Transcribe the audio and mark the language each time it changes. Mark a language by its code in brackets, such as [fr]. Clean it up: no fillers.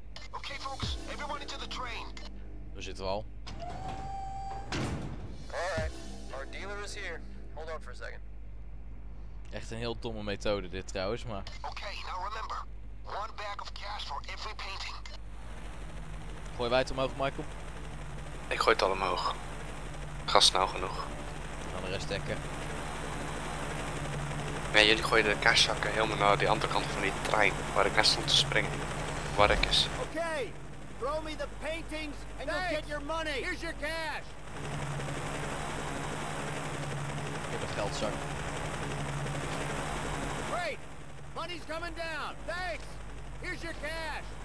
[en] Okay folks, everyone into the train. [nl] Daar zitten we al. [en] Alright, our dealer is here. Hold on for a second. [nl] Echt een heel domme methode dit trouwens, maar. [en] Okay, now remember. One bag of cash for every painting. [nl] Gooi wij het omhoog, Michael? Ik gooi het al omhoog. Ga snel genoeg. Dan de rest dekken. Nee, jullie gooien de cashzakken helemaal naar die andere kant van die trein, waar ik net stond te springen. Waar ik is. [en] Okay, throw me the paintings and you'll get your money. Here's your cash. [nl] Ik heb een geldzak. [en] Great, money's coming down. Thanks. Here's your cash.